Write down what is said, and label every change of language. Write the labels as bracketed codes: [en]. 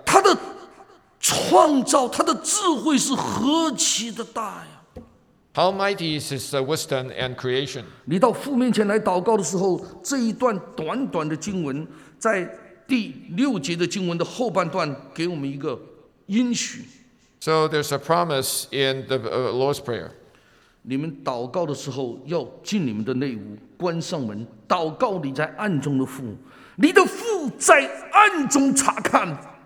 [zh] 他的创造他的智慧是何其的大呀 [en] ！How mighty is his wisdom and creation？ [zh] 你到父面前来祷告的时候，这一段短短的经文，在第六节的经文的后半段，给我们一个应许。 [en] So there's a promise in the Lord's prayer. [zh] 你们祷告的时候要进你们的内屋，关上门，祷告你在暗中的父，你的父在暗中查看。